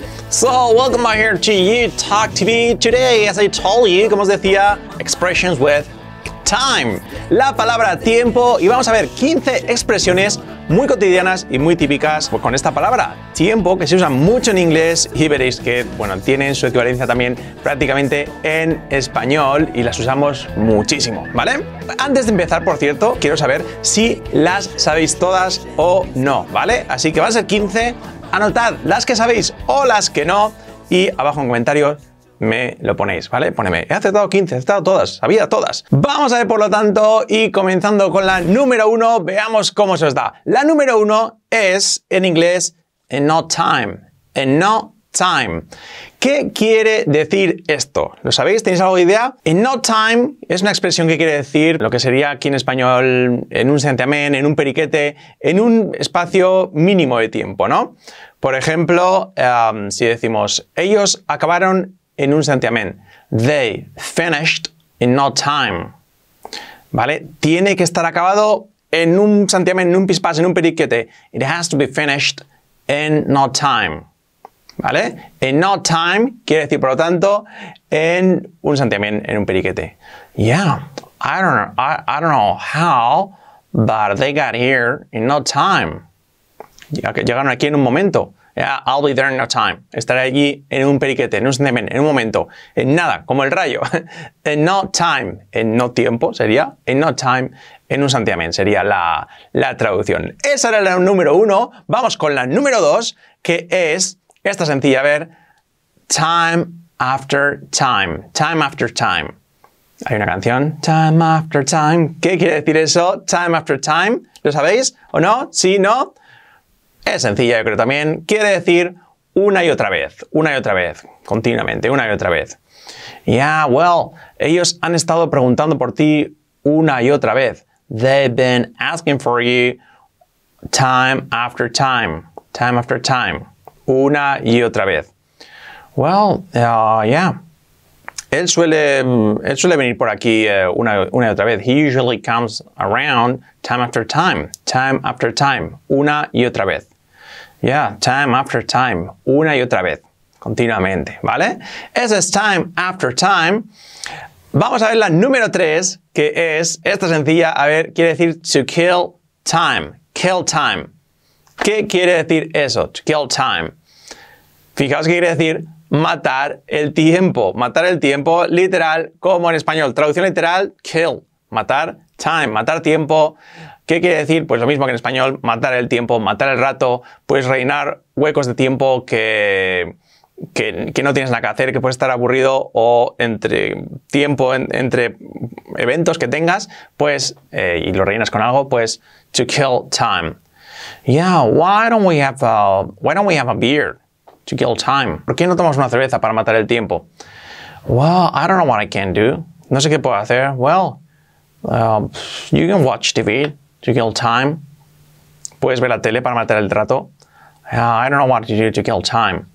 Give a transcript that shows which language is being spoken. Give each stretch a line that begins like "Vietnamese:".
English: So, welcome out here to You Talk TV. Today, as I told you,
Spanish: como os decía,
English: expressions with time.
Spanish: La palabra tiempo, y vamos a ver 15 expresiones muy cotidianas y muy típicas con esta palabra, tiempo, que se usa mucho en inglés y veréis que, bueno, tienen su equivalencia también prácticamente en español y las usamos muchísimo, ¿vale? Antes de empezar, por cierto, quiero saber si las sabéis todas o no, ¿vale? Así que van a ser 15, anotad las que sabéis o las que no y abajo en comentarios me lo ponéis, ¿vale? Póneme, he aceptado 15, he aceptado todas, sabía todas. Vamos a ver, por lo tanto, y comenzando con la número 1, veamos cómo se os da. La número 1 es, en inglés, in no time. In no time. ¿Qué quiere decir esto? ¿Lo sabéis? ¿Tenéis alguna idea? In no time es una expresión que quiere decir lo que sería aquí en español, en un santiamén, en un periquete, en un espacio mínimo de tiempo, ¿no? Por ejemplo, si decimos, ellos acabaron en un santiamén.
English: They finished in no time.
Spanish: ¿Vale? Tiene que estar acabado en un santiamén, en un pispás, en un periquete.
English: It has to be finished in no time.
Spanish: ¿Vale? In no time quiere decir, por lo tanto, en un santiamén, en un periquete.
English: Yeah, I don't know how, but they got here in no time.
Spanish: Llegaron aquí en un momento.
English: Yeah, I'll be there in no time.
Spanish: Estaré allí en un periquete, en un santiamén, en un momento, en nada, como el rayo. In no time, en no tiempo sería, in no time, en un santiamén sería la traducción. Esa era la número uno. Vamos con la número dos, que es esta sencilla, a ver, time after time, time after time. Hay una canción, time after time. ¿Qué quiere decir eso? Time after time, ¿lo sabéis o no? ¿Sí, no? Es sencilla, yo creo también. Quiere decir una y otra vez, continuamente, una y otra vez. Yeah, well, ellos han estado preguntando por ti una y otra vez.
English: They've been asking for you time after time, time after time,
Spanish: una y otra vez. Well, yeah, él suele venir por aquí una y otra vez.
English: He usually comes around time after time, time after time,
Spanish: una y otra vez. Yeah, time after time, una y otra vez, continuamente, ¿vale? Ese es time after time. Vamos a ver la número 3, que es esta sencilla, a ver, quiere decir to kill time, kill time. ¿Qué quiere decir eso, to kill time? Fijaos que quiere decir matar el tiempo, literal, como en español, traducción literal, kill, matar time, matar tiempo. ¿Qué quiere decir? Pues lo mismo que en español, matar el tiempo, matar el rato, pues rellenar huecos de tiempo que no tienes nada que hacer, que puedes estar aburrido o entre tiempo, entre eventos que tengas, pues, y lo rellenas con algo, pues, to kill time.
English: Yeah, why don't we have a beer to kill time?
Spanish: ¿Por qué no tomamos una cerveza para matar el tiempo?
English: Well, I don't know what I can do.
Spanish: No sé qué puedo hacer.
English: Well, you can watch TV. To kill time.
Spanish: ¿Puedes ver la tele para matar el rato?
English: I don't know what to do to kill time.